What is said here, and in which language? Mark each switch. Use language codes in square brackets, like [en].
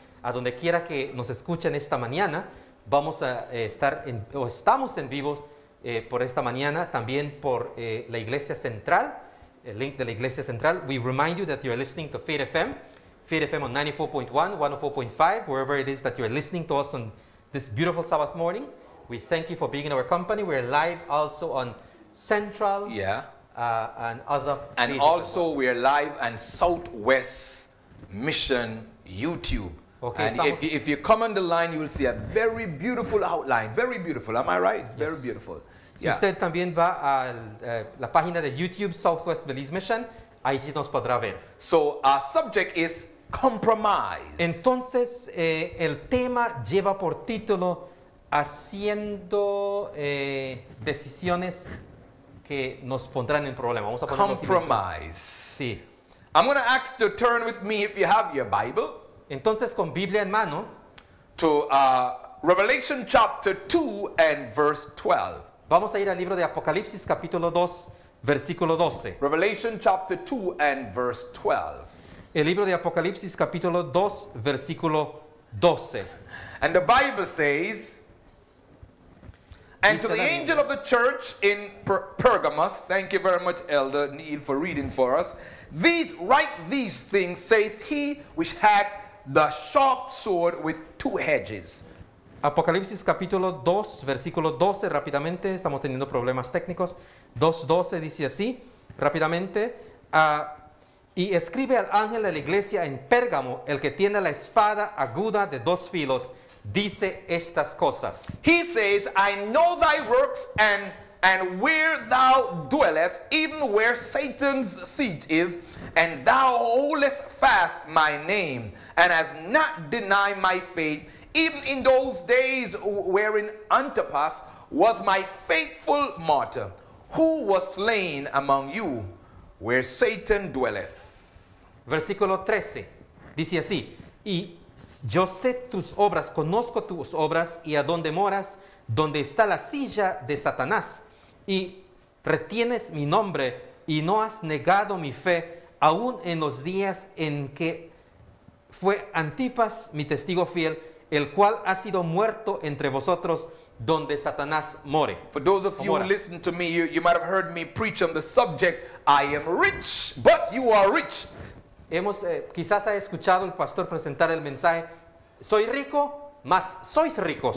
[es] A donde quiera que nos escuchen esta mañana, vamos a estamos en vivo por esta mañana. También por la Iglesia Central, el link de la Iglesia Central. [en] We remind you that you are listening to Faith FM. Faith FM on 94.1, 104.5, wherever it is that you are listening to us on this beautiful Sabbath morning. We thank you for being in our company. We're live also on Central. Yeah. And other. And also we are live on Southwest Mission YouTube. Okay. And if you come on the line, you will see a very beautiful outline. Very beautiful. Am I right? It's very beautiful. [es] Si usted también va a la página de YouTube, Southwest Belize Mission, allí nos podrá ver. [en] So our subject is compromise. [es] Entonces, el tema lleva por título haciendo decisiones que nos pondrán en problema. Vamos a poner [en] compromise. [es] Sí. [en] I'm going to ask to turn with me if you have your Bible. [es] Entonces, con Biblia en mano. [en] To Revelation chapter 2 and verse 12. [es] Vamos a ir al libro de Apocalipsis capítulo 2, versículo 12. [en] Revelation chapter 2 and verse 12. [es] El libro de Apocalipsis, capítulo 2, versículo 12. [en] And the Bible says, and to the angel of the church in Pergamos, thank you very much, Elder Neil, for reading for us. These write these things, saith he which had the sharp sword with two edges. [es] Apocalipsis, capítulo 2, versículo 12, rápidamente, estamos teniendo problemas técnicos. 2:12 dice así, rápidamente, y escribe al ángel de la iglesia en Pérgamo, el que tiene la espada aguda de dos filos, dice estas cosas. [en] He says, I know thy works and where thou dwellest, even where Satan's seat is, and thou holdest fast my name, and hast not denied my faith, even in those days wherein Antipas was my faithful martyr, who was slain among you, where Satan dwelleth. [es] Versículo 13, dice así, y yo sé tus obras, conozco tus obras, y a dónde moras, donde está la silla de Satanás, y retienes mi nombre, y no has negado mi fe, aún en los días en que fue Antipas, mi testigo fiel, el cual ha sido muerto entre vosotros, donde Satanás more. [en] For those of you who listen to me, you might have heard me preach on the subject, I am rich, but you are rich. [es] Hemos, quizás ha escuchado el pastor presentar el mensaje, soy rico, mas sois ricos.